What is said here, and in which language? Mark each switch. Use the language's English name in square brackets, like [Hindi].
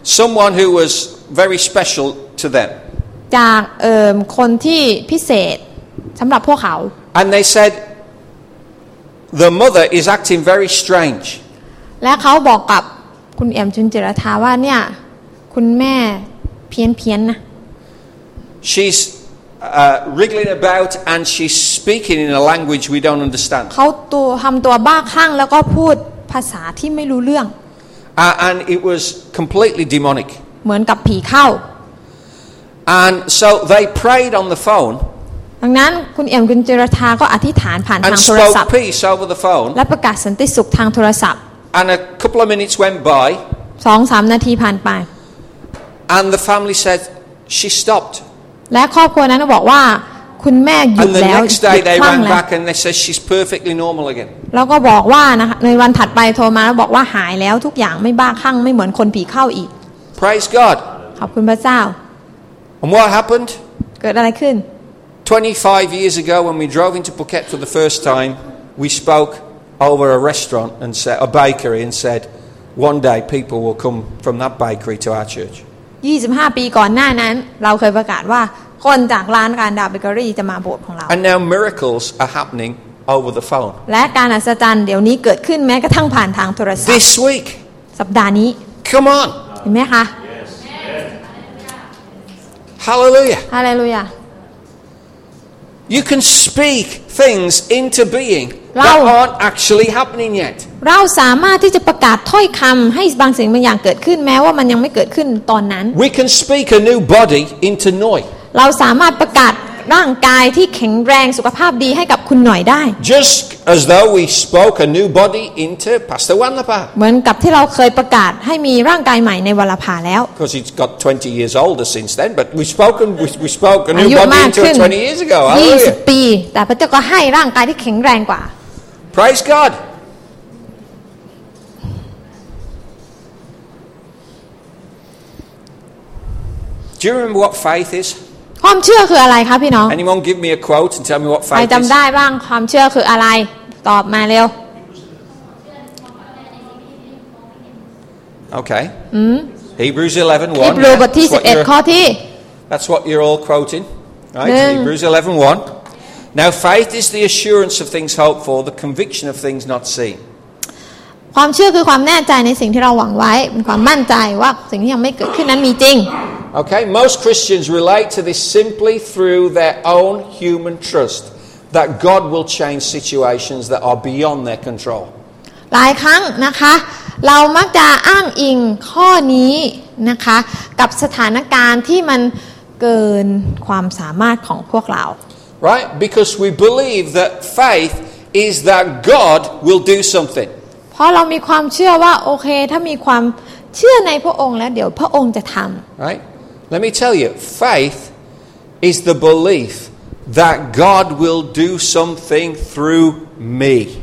[English] Someone who was very special to them [Thai] จากคนที่พิเศษสำหรับพวกเขา [English] And they said the mother is acting very strange [Thai] และเขาบอกกับคุณเอี่ยมจุนจิรทาว่าเนี่ยคุณแม่เพี้ยนๆนะ [English] She'swriggling about and she's speaking in a language we don't understand [Thai] เขาตัวทําตัวบ้าคลั่งแล้วก็พูดภาษาที่ไม่รู้เรื่อง [English] and it was completely demonic [Thai] เหมือนกับผีเข้า [English] and so they prayed on the phone [Thai] ดังนั้นคุณเอี่ยมคุณจิรทาก็อธิษฐานผ่านทางโทรศัพท์ [English] and spoke peace over the phone [Thai] และประกาศสันติสุขทางโทรศัพท์ [English] and a couple of minutes went by [Thai] 2-3 นาทีผ่านไป [English] and the family said she stopped [Thai] และครอบครัวนั้นบอกว่าคุณแม่หยุดแล้วหยุดคลั่งแล้ว [English] And they said she's perfectly normal again. [Thai] แล้วก็บอกว่านะคะในวันถัดไปโทรมาแล้วบอกว่าหายแล้วทุกอย่างไม่บ้าคลั่งไม่เหมือนคนผีเข้าอีก [English] Praise God. [Thai] ขอบคุณพระเจ้า [English] And what happened? [Thai] เกิดอะไรขึ้น [English] 25 years ago when we drove into Phuket for the first time, we spoke over a restaurant and said a bakery and said one day people will come from that bakery to our church. [Thai] 25ปีก่อนหน้านั้นเราเคยประกาศว่าคนจากร้านการดาเบเกอรี่จะมาโบสถ์ของเรา [English] And now miracles are happening over the phone [Thai] และการอัศจรรย์เดี๋ยวนี้เกิดขึ้นแม้กระทั่งผ่านทางโทรศัพท์ [English] This week [Thai] สัปดาห์นี้ [English] Come on [Thai] เห็นไหมคะ [English] Yes, yes. Hallelujah. Hallelujah. You can speak things into being that aren't actually happening yet. [Thai] เราสามารถที่จะประกาศถ้อยคำให้บางสิ่งบางอย่างเกิดขึ้นแม้ว่ามันยังไม่เกิดขึ้นตอนนั้น [English] We can speak a new body into Noi. [Thai] เราสามารถประกาศร่างกายที่แข็งแรงสุขภาพดีให้กับคุณหน่อยได้ [English] Just as though we spoke a new body into Pastor Wanlapa. [Thai] เหมือนกับที่เราเคยประกาศให้มีร่างกายใหม่ในวัลภาแล้ว [English] Because he's got 20 years older since then, but we spoke a new body into it 20 years ago. [Thai] 20ปีแต่พระเจ้าก็ให้ร่างกายที่แข็งแรงกว่า [English] Praise God. Do you remember what faith is? [Thai] ความเชื่อคืออะไรคะพี่น้อง [English] Anyone give me a quote and tell me what faith is? [Thai] ใครจำได้บ้างความเชื่อคืออะไรตอบมาเร็ว [English] Okay. Hebrews 11:1. [Thai] Hebrew บทที่11ข้อที่ [English] That's what you're all quoting, right? Hebrews 11:1. Now faith is the assurance of things hoped for, the conviction of things not seen. [Thai] ความเชื่อคือความแน่ใจในสิ่งที่เราหวังไว้เป็นความมั่นใจว่าสิ่งที่ยังไม่เกิดขึ้นนั้นมีจริง [English] Okay, most Christians relate to this simply through their own human trust that God will change situations that are beyond their control. [Thai] หลายครั้งนะคะเรามักจะอ้างอิงข้อนี้นะคะกับสถานการณ์ที่มันเกินความสามารถของพวกเรา [English] Right? Because we believe that faith is that God will do something. [Thai] เพราะเรามีความเชื่อว่าโอเคถ้ามีความเชื่อในพระองค์แล้วเดี๋ยวพระองค์จะทำ [English] Right? Let me tell you, faith is the belief that God will do something through me.